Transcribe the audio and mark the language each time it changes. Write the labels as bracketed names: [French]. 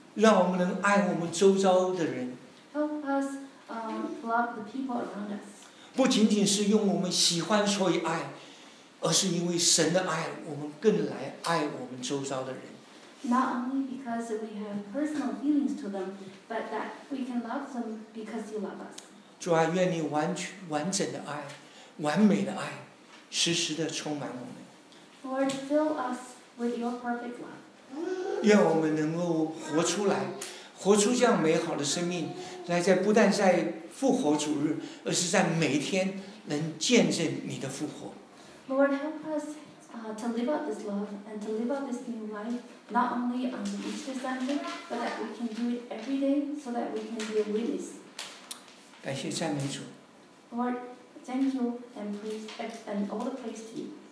[Chinese] 让我们能爱我们周遭的人。 [English] Help us. Love the people around us. [Chinese] 不仅仅是用我们喜欢所以爱，而是因为神的爱，我们更来爱我们周遭的人。 [English] Not only because we have personal feelings to them, but that we can love them because you love us. [Chinese] 主啊，愿你完整的爱，完美的爱，时时的充满我们。 [English] Lord, fill us with your perfect love. [Chinese] 愿我们能够活出来。活出这样美好的生命，来在不但在复活主日，而是在每天能见证你的复活。 [English] Lord, help us to live out this love and to live out this new life, not only on the Easter Sunday, but that we can do it every day, so that we can be a witness. [Chinese] 感谢赞美主。 [English] Lord, thank you and praise and all the praise to you.